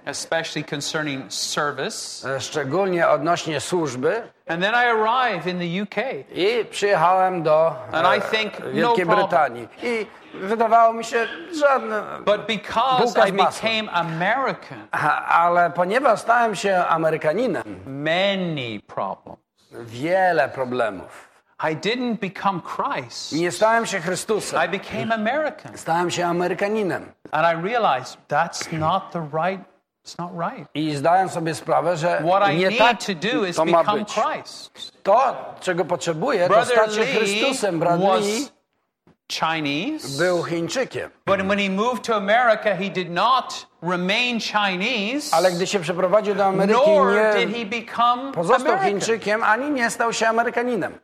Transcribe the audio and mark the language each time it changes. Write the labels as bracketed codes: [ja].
[en] Especially concerning service. [pl] Szczególnie odnośnie służby. [en] And then I arrive in the UK. [pl] I przyjechałem do Wielkiej Brytanii. I wydawało mi się, żadne. [en] But because I became American. [pl] Ale ponieważ stałem się Amerykaninem. [en] Many problems. [pl] Wiele problemów. [en] I didn't become Christ. [pl] Nie stałem się Chrystusem. [en] I became American. [pl] Stałem się Amerykaninem. [en] And I realized that's not the right. It's not right. [pl] I zdałem sobie sprawę, że [en] what [pl] nie [en] I [pl] tak [en] need to do is become Christ. [pl] To, czego potrzebuję, to stać się Chrystusem. Brat Lee [en] Chinese. [pl] Był Chińczykiem. [en] But when he moved to America, he did not remain Chinese. [pl] Ale gdy się przeprowadził do Ameryki, [en] nor [pl] nie [en] did he become [pl] pozostał [en] American. [pl] Chińczykiem, ani nie stał się Amerykaninem.